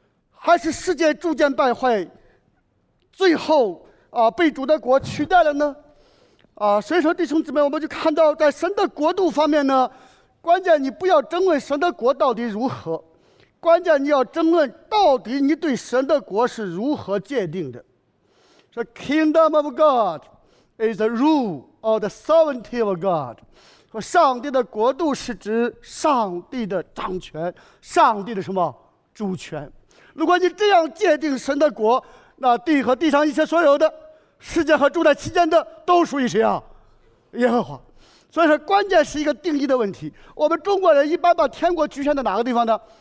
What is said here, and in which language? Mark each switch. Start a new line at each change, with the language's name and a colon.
Chinese: 还是世界逐渐败坏，最后被主的国取代了呢？所以说弟兄姊妹，我们就看到在神的国度方面呢，关键你不要争论神的国到底如何，关键你要争论到底你对神的国是如何界定的。
English: The kingdom of God is the rule or the sovereignty of God.
Chinese: 说上帝的国度是指上帝的掌权，上帝的什么？主权。如果你这样界定神的国，那地和地上一切所有的，世界和住在其间的，都属于谁啊？耶和华。所以说关键是一个定义的问题。我们中国人一般把天国局限在哪个地方呢？